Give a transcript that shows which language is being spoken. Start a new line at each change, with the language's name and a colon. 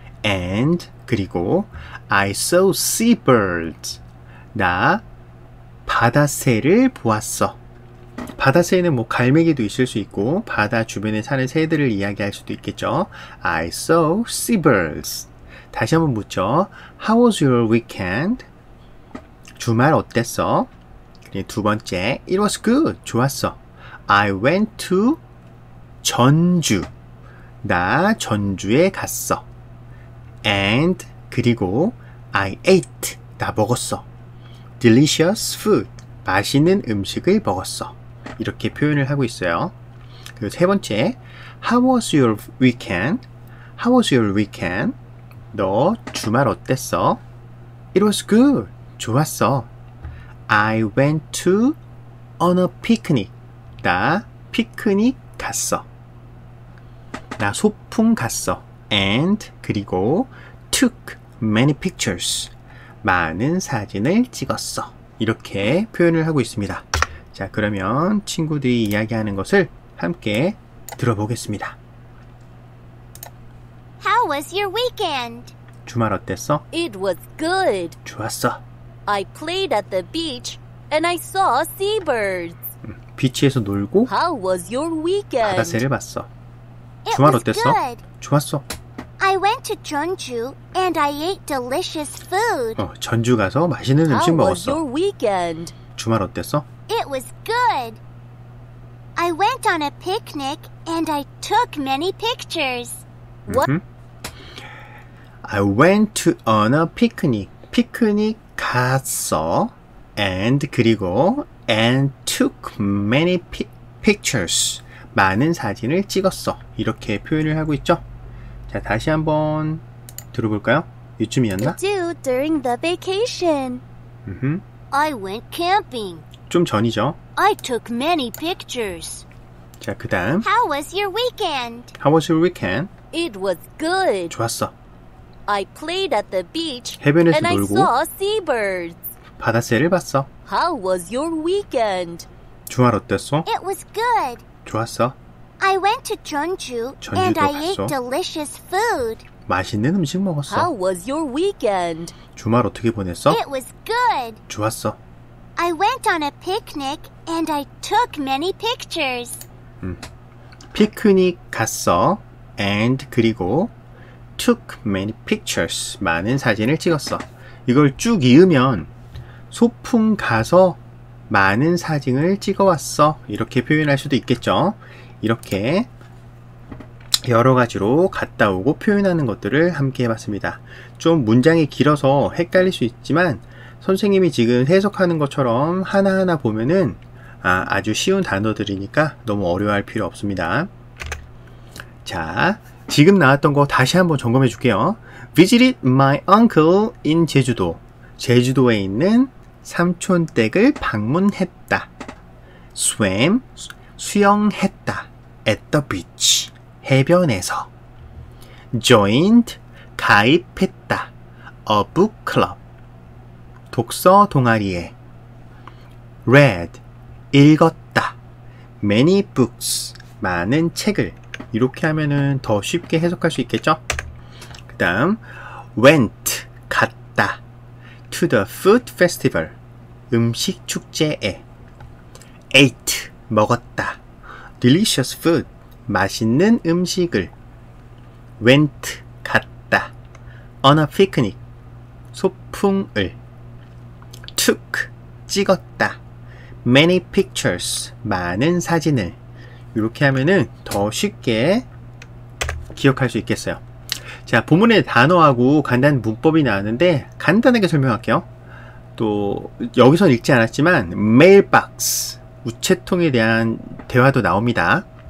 English: And 그리고 I saw seabirds.
Korean: 나 바다새를 보았어. 바다새는 뭐 갈매기도 있을 수 있고 바다 주변에 사는 새들을 이야기할 수도 있겠죠.
English: I saw seabirds.
Korean: 다시 한번 묻죠.
English: How was your weekend?
Korean: 주말 어땠어? 그리고 두 번째,
English: It was good.
Korean: 좋았어.
English: I went to 전주.
Korean: 나 전주에 갔어.
English: And 그리고 I ate.
Korean: 나 먹었어.
English: Delicious food.
Korean: 맛있는 음식을 먹었어. 이렇게 표현을 하고 있어요. 그리고 세 번째,
English: How was your weekend? How was your weekend?
Korean: 너 주말 어땠어?
English: It was good.
Korean: 좋았어.
English: I went to on a picnic.
Korean: 나 피크닉 갔어. 나 소풍 갔어.
English: And 그리고 took many pictures.
Korean: 많은 사진을 찍었어. 이렇게 표현을 하고 있습니다. 자, 그러면 친구들이 이야기하는 것을 함께 들어보겠습니다.
English: How was your weekend?
Korean: 주말 어땠어?
English: It was good.
Korean: 좋았어.
English: I played at the beach and I saw seabirds.
Korean: 비치에서 놀고
English: How was your weekend?
Korean: 바다새를 봤어.
English: It
Korean: 주말
English: was
Korean: 어땠어?
English: Good.
Korean: 좋았어.
English: I went to Jeonju and I ate delicious food.
Korean: 전주 가서 맛있는 음식 먹었어.
English: How was your weekend?
Korean: 주말 어땠어?
English: It was good. I went on a picnic and I took many pictures. I went to on a picnic.
Korean: 피크닉 갔어.
English: And 그리고 and took many pictures.
Korean: 많은 사진을 찍었어. 이렇게 표현을 하고 있죠. 자, 다시 한번 들어볼까요? 이쯤이었나?
English: Do during the vacation. I went camping.
Korean: 좀 전이죠.
English: I took many pictures.
Korean: 자, 그다음.
English: How was your weekend? How was your weekend? It was good.
Korean: 좋았어.
English: I played at the beach.
Korean: 해변에서
English: and
Korean: 놀고.
English: I saw seabirds.
Korean: 바다새를 봤어.
English: How was your weekend?
Korean: 주말 어땠어?
English: It was good.
Korean: 좋았어.
English: I went to Jeonju and I ate delicious food.
Korean: 맛있는 음식 먹었어.
English: How was your weekend?
Korean: 주말 어떻게 보냈어?
English: It was good.
Korean: 좋았어.
English: I went on a picnic and I took many pictures.
Korean: 피크닉 갔어. And 그리고
English: took many pictures.
Korean: 많은 사진을 찍었어. 이걸 쭉 이으면 소풍 가서 많은 사진을 찍어왔어. 이렇게 표현할 수도 있겠죠. 이렇게 여러 가지로 갔다 오고 표현하는 것들을 함께 해봤습니다. 좀 문장이 길어서 헷갈릴 수 있지만 선생님이 지금 해석하는 것처럼 하나하나 보면은 아주 쉬운 단어들이니까 너무 어려워할 필요 없습니다. 자, 지금 나왔던 거 다시 한번 점검해 줄게요.
English: Visited my uncle in 제주도.
Korean: 제주도에 있는 삼촌 댁을 방문했다.
English: Swam, 수영했다. At the beach, 해변에서. Joined, 가입했다. A book club, 독서 동아리에. Read, 읽었다.
Korean: Many books, 많은 책을. 이렇게 하면은 더 쉽게 해석할 수 있겠죠? 그 다음, went, 갔다.
English: To the food festival, 음식 축제에. Ate, 먹었다. Delicious food, 맛있는 음식을. Went, 갔다. On a picnic, 소풍을. Took, 찍었다.
Korean: Many pictures, 많은 사진을. 이렇게 하면은 더 쉽게 기억할 수 있겠어요. 자, 본문의 단어하고 간단한 문법이 나왔는데 간단하게 설명할게요. 또 여기선 읽지 않았지만 mailbox, 우체통에 대한 대화도 나옵니다.